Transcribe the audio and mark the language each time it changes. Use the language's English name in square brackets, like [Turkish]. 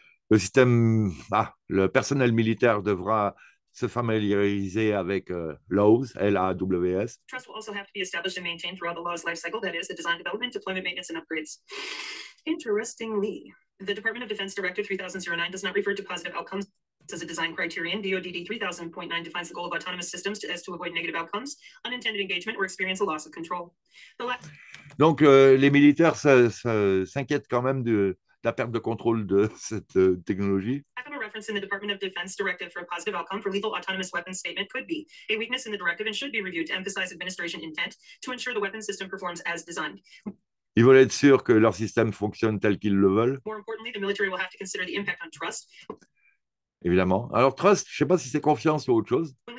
[French] Le système, le personnel militaire devra se familiariser avec LAWS, L-A-W-S. [English] Trust will also have to be established and maintained throughout the laws life cycle, that is, the design, development, deployment, maintenance, and upgrades. Interestingly, the Department of Defense Directive 3009 does not refer to positive outcomes. As a design criterion, DoD 3000.9 defines the goal of autonomous systems as to avoid negative outcomes, unintended engagement, or experience a loss of control. [French] Donc, les militaires s'inquiètent quand même de la perte de contrôle de cette technologie. [English] I have a reference in the Department of Defense directive for a positive outcome for lethal autonomous weapons statement could be a weakness in the directive and should be reviewed to emphasize administration intent to ensure the weapon system performs as designed. [French] Ils veulent être sûrs que leur système fonctionne tel qu'ils le veulent. [English] More importantly, the military will have to consider the impact on trust. [French] Évidemment. Alors, trust, je ne sais pas si c'est confiance ou autre chose.